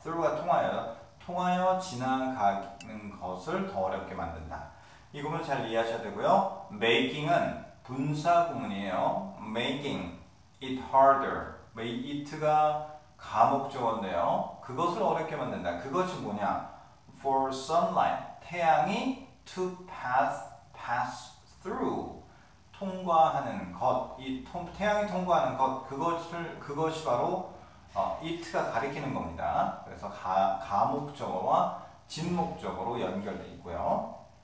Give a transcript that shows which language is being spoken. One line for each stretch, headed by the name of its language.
Korean: Through가 통하여. 통하여 지나가는 것을 더 어렵게 만든다. 이 부분 잘 이해하셔야 되고요. Making은 분사구문이에요.
English: Making it harder.
Korean: It가 가목적어인데요. 그것을 어렵게 만든다. 그것이 뭐냐?
English: For sunlight.
Korean: 태양이
English: to pass through.
Korean: 통과하는 것. 태양이 통과하는 것. 그것이 바로 it가 가리키는 겁니다. 그래서 가목적어와 진목적어로 연결되어 있고요.